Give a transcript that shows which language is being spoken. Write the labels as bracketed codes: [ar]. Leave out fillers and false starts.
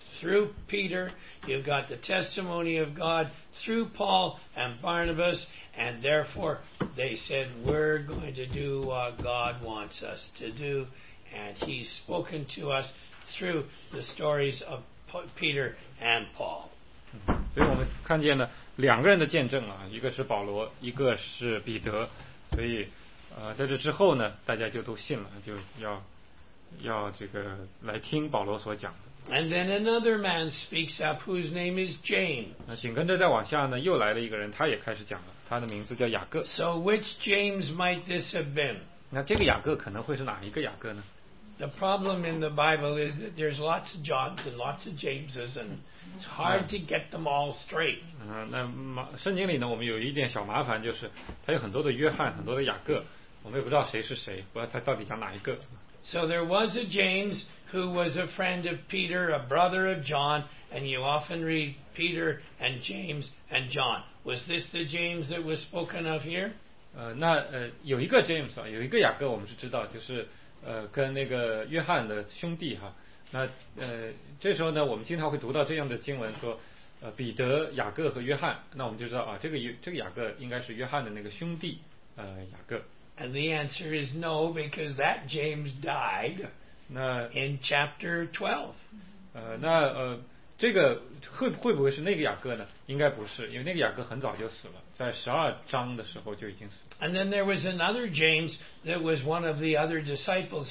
[en] Through Peter, you've got the testimony of God through Paul and Barnabas, and therefore they said, we're going to do what God wants us to do, and He's spoken to us through the stories of Peter and Paul. [zh] 所以我们看见了两个人的见证啊，一个是保罗，一个是彼得，所以在这之后呢，大家就都信了，就要这个来听保罗所讲的。 [en] And then another man speaks up whose name is James. [zh] 那紧跟着再往下呢，又来了一个人，他也开始讲了，他的名字叫雅各。 [en] So which James might this have been? [zh] 那这个雅各可能会是哪一个雅各呢？ [en] The problem in the Bible is that there's lots of Johns and lots of Jameses and it's hard to get them all straight. [zh] 那圣经里呢，我们有一点小麻烦，就是他有很多的约翰，很多的雅各，我们也不知道谁是谁，不知道他到底讲哪一个。 [en] So there was a James who was a friend of Peter, a brother of John, and you often read Peter and James and John. Was this the James that was spoken of here? [zh] 有一个 James 啊，有一个雅各，我们是知道，就是跟那个约翰的兄弟哈。那这时候呢，我们经常会读到这样的经文说，彼得、雅各和约翰。那我们就知道啊，这个雅各应该是约翰的那个兄弟，雅各。 [en] And the answer is no, because that James died in chapter 12. [zh] 会不会是那个雅各呢？应该不是，因为那个雅各很早就死了，在十二章的时候就已经死了。 [en] And then there was another James that was one of the other disciples.